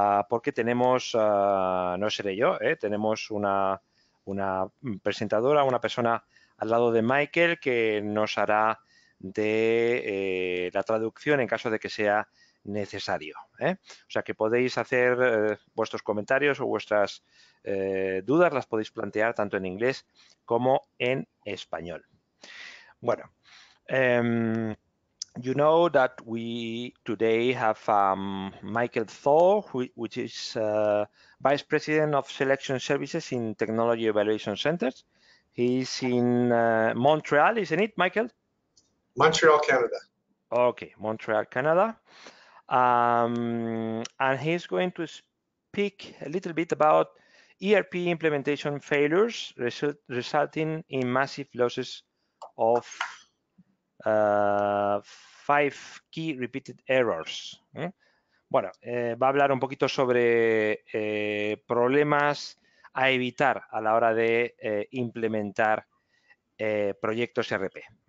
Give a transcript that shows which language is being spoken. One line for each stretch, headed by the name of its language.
Spanish: Porque tenemos, no seré yo, ¿eh? Tenemos una presentadora, una persona al lado de Michael que nos hará de la traducción en caso de que sea necesario, ¿eh? O sea que podéis hacer vuestros comentarios o vuestras dudas, las podéis plantear tanto en inglés como en español. Bueno.
English: You know that we today have Michael Thor, which is Vice President of Selection Services in Technology Evaluation Centers. He's in Montreal, isn't it, Michael? Montreal, Canada. Okay, Montreal, Canada. And he's going to speak a little bit about ERP implementation failures resulting in massive losses of 5 key repeated errors.
Spanish: Bueno, va a hablar un poquito sobre problemas a evitar a la hora de implementar proyectos ERP.